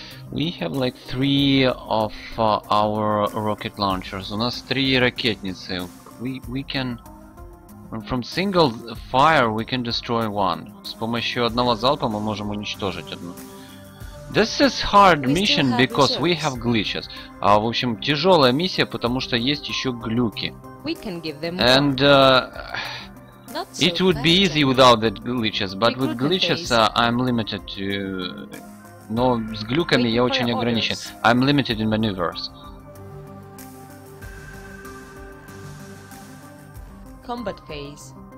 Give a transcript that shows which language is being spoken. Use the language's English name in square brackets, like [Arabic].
[English] We have like three of our rocket launchers. [Russian] У нас три ракетницы. [English] We can... From single fire we can destroy one. [Russian] С помощью одного залпа мы можем уничтожить одну. [English] This is hard mission because we have glitches. [Russian] В общем, тяжелая миссия, потому что есть еще глюки. [English] We can give them and not so it would be easy without the glitches, but with glitches I'm limited to... [Russian] Но с глюками я очень ограничен. [English] I'm limited in maneuvers. Combat phase.